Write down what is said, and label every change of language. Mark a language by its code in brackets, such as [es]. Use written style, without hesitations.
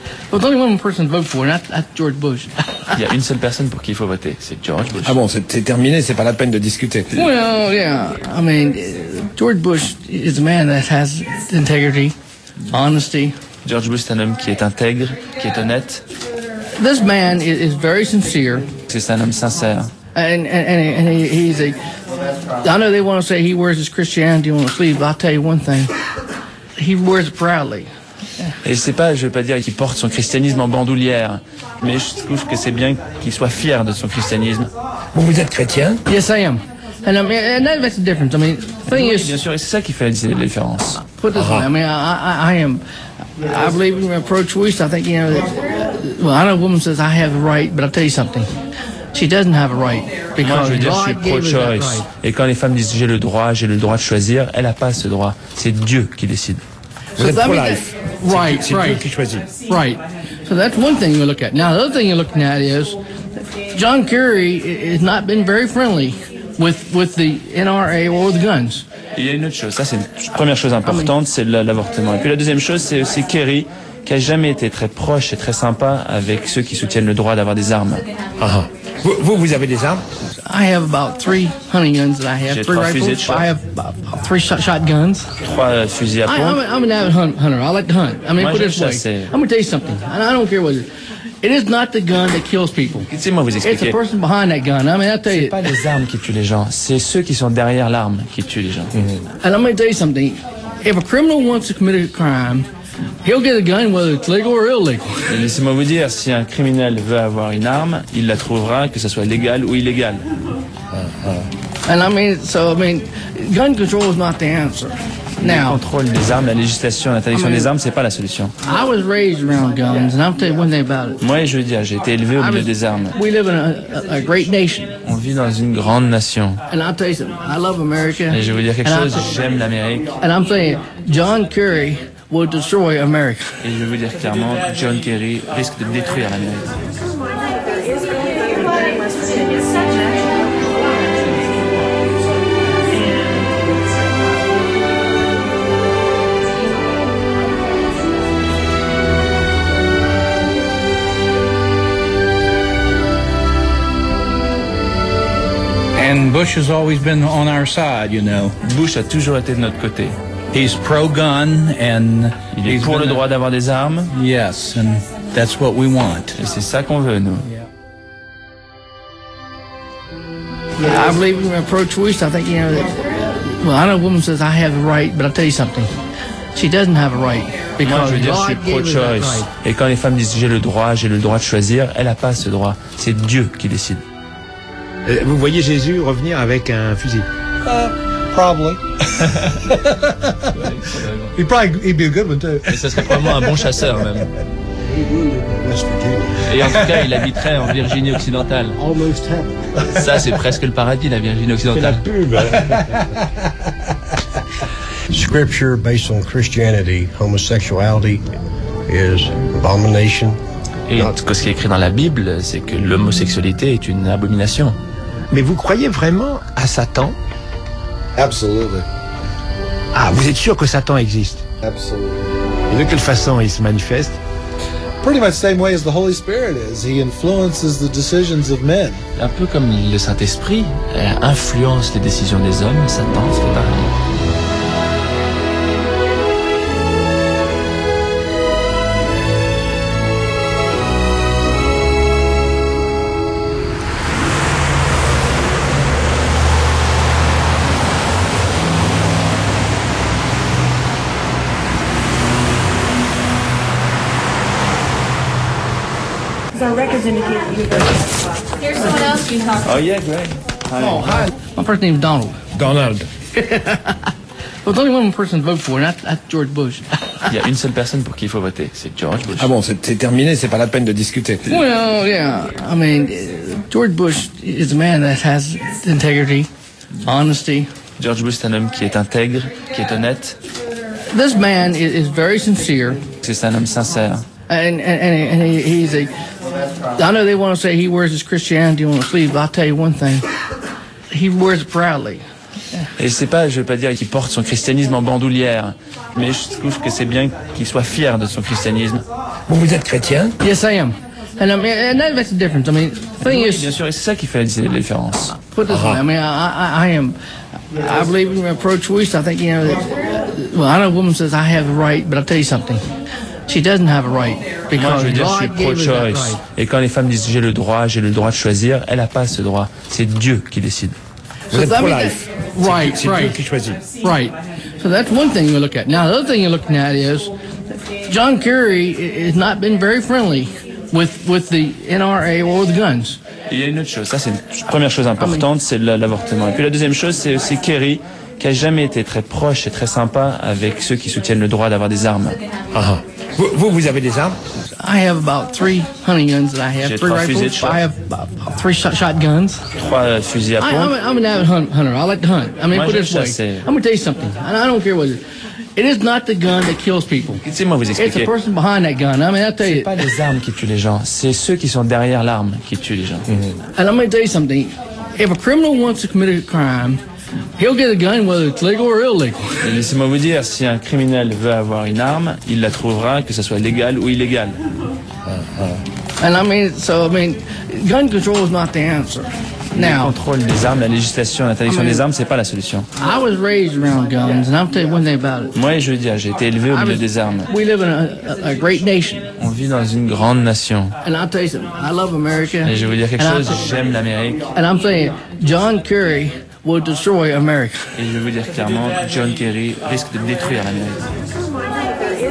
[en] Well, only one person to vote for, not George Bush. [fr] Il y a une seule personne pour qui il faut voter, c'est George Bush. Ah bon, c'est terminé, c'est pas la peine de discuter. [en] Well, yeah, I mean, George Bush is a man that has integrity, honesty. [fr] George Bush est un homme qui est intègre, qui est honnête. [en] This man is very sincere. [fr] C'est un homme sincère. [en] And he's a... I know they want to say he wears his Christianity on his sleeve, but I'll tell you one thing. He wears it proudly. [fr] Et je vais pas dire qu'il porte son christianisme en bandoulière, mais je trouve que c'est bien qu'il soit fier de son christianisme. Bon, vous êtes chrétien? [en] Yes, I am. And that's the difference. I mean, thing [fr] oui, [en] is. [fr] Bien sûr, et c'est ça qui fait la différence. [en] Put it this way, I mean, I am. I believe in pro-choice. I think, you know, that, well, I know a woman says I have a right, but I'll tell you something. She doesn't have a right because God gave her that right. [fr] Et quand les femmes disent j'ai le droit de choisir, elle a pas ce droit. C'est Dieu qui décide. [en] Right. So that's one thing you look at. Now, the other thing you're looking at is John Kerry has not been very friendly with the NRA or the guns. [fr] Il y a une autre chose. Ça, c'est une première chose importante, c'est l'avortement. Et puis la deuxième chose, c'est aussi Kerry qui a jamais été très proche et très sympa avec ceux qui soutiennent le droit d'avoir des armes. Vous avez des armes? [en] I have about three hunting guns that I have. J'ai three rifles. I have about three shotguns. [fr] Trois fusils à pompe. [en] I'm an avid hunter. I like to hunt. I mean, [fr] moi, [en] put it this way. I'm going to tell you something. I don't care what it is not the gun that kills people. [fr] Moi vous expliquer. [en] It's the person behind that gun. I mean, I'll tell you. [fr] C'est pas les armes qui tuent les gens. C'est ceux qui sont derrière l'arme qui tuent les gens. [en] Mm-hmm. And I'm going to tell you something. If a criminal wants to commit a crime, he'll get a gun whether it's legal or illegal. [fr] Laissez-moi vous dire, si un criminel veut avoir une arme, il la trouvera, que ce soit légal ou illégal. [en] Gun control is not the answer. [fr] Now, le contrôle des armes, la législation, l'interdiction des armes, c'est pas la solution. [en] I was raised around guns, and I'll tell you one thing about it. [fr] Moi, je veux dire, j'ai été élevé au milieu des armes. [en] We live in a great nation. [fr] On vit dans une grande nation. [en] And I'll tell you something. I love America. [fr] Et je vais vous dire quelque chose. J'aime l'Amérique. [en] And I'm saying, John Kerry. Will destroy America. [fr] Et je vais vous dire clairement, John Kerry risque de détruire l'Amérique. [en] And Bush has always been on our side, you know. [fr] Bush a toujours été de notre côté. [en] He's pro-gun and [fr] il est pour le droit d'avoir des armes. [en] Yes, and that's what we want. [fr] Et c'est ça qu'on veut, nous. [en] Yeah. I believe in pro-choice. I think, you know, that, well, I know a woman says I have a right, but I'll tell you something. She doesn't have a right. [fr] Because moi, je veux dire, je suis pro-choice. Et quand les femmes disent j'ai le droit de choisir, elle n'a pas ce droit. C'est Dieu qui décide. Vous voyez Jésus revenir avec un fusil. [en] Probably. He'd probably be a good one, too. [fr] Ça serait probablement un bon chasseur, même. Et en tout cas, il habiterait en Virginie occidentale. [en] Almost heaven. [fr] Ça, c'est presque le paradis, la Virginie occidentale. C'est la pub. [en] Scripture based on Christianity, homosexuality is abomination. [fr] Et en tout cas, ce qui est écrit dans la Bible, c'est que l'homosexualité est une abomination. Mais vous croyez vraiment à Satan? [en] Absolutely. [fr] Ah, vous êtes sûr que Satan existe? [en] Absolutely. [fr] Et de quelle façon il se manifeste? [en] Pretty much the same way as the Holy Spirit is. He influences the decisions of men. [fr] Un peu comme le Saint-Esprit influence les décisions des hommes, Satan fait pareil. [en] My first name is Donald. Donald. Well, there's only one person to vote for, and that's George Bush. [fr] Il y a une seule personne pour qui il faut voter, c'est George Bush. Ah bon, c'est terminé, c'est pas la peine de discuter. [en] Well, yeah. I mean, George Bush is a man that has integrity, honesty. [fr] George Bush est un homme qui est intègre, qui est honnête. [en] This man is very sincere. [fr] C'est un homme sincère. [en] And he's a I know they want to say he wears his Christianity on his sleeve, but I'll tell you one thing. He wears it proudly. [fr] Et c'est pas, je veux pas dire qu'il porte son christianisme en bandoulière, mais je trouve que c'est bien qu'il soit fier de son christianisme. Bon, vous êtes chrétien? [en] Yes, I am. And that makes a difference. I mean, thing [fr] oui, [en] is, [fr] bien sûr, et c'est ça qui fait la différence. [en] Put this way, I mean, I believe in my pro-choice. I think, you know, I know a woman says I have the right, but I'll tell you something. She doesn't have a right because [fr] moi, je veux dire, je suis pro-choice. Et quand les femmes disent j'ai le droit de choisir, elle n'a pas ce droit. C'est Dieu qui décide. Vous êtes pro-life. [en] Right, [fr] c'est Dieu qui choisit. [en] Right. So that's one thing you look at. Now, the other thing you're looking at is John Kerry has not been very friendly with the NRA or the guns. [fr] Il y a une autre chose. Ça, c'est une première chose importante, c'est l'avortement. Et puis la deuxième chose, c'est Kerry qui n'a jamais été très proche et très sympa avec ceux qui soutiennent le droit d'avoir des armes. Ah, vous avez des armes? [en] I have about three hunting guns that I have. [fr] J'ai trois fusils de chasse. [en] I have about three shotguns. [fr] Trois fusils à pompe. [en] I'm an avid hunter. I like to hunt. I mean, [fr] moi, [en] put it this way. I'm going to tell you something. I don't care what it is. It is not the gun that kills people. [fr] C'est moi vous expliquer. [en] It's the person behind that gun. I mean, I'll tell you. [fr] C'est pas les armes qui tuent les gens. C'est ceux qui sont derrière l'arme qui tuent les gens. [en] And I'm going to tell you something. If a criminal wants to commit a crime, he'll get a gun whether it's legal or illegal. [fr] Et laissez-moi vous dire, si un criminel veut avoir une arme, il la trouvera, que ce soit légal ou illégal. [en] And I mean, so I mean, gun control is not the answer. Now, [fr] le contrôle des armes, la législation, l'interdiction des armes, c'est pas la solution. [en] I was raised around guns, and I'll tell you one thing about it. [fr] Moi, je veux dire, j'ai été élevé au milieu des armes. [en] We live in a great nation. [fr] On vit dans une grande nation. [en] And I'll tell you something. I love America. [fr] Et je vais vous dire quelque chose. J'aime l'Amérique. [en] And I'm saying, John Kerry will destroy America. [fr] Et je vais vous dire clairement, John Kerry risque de détruire l'Amérique.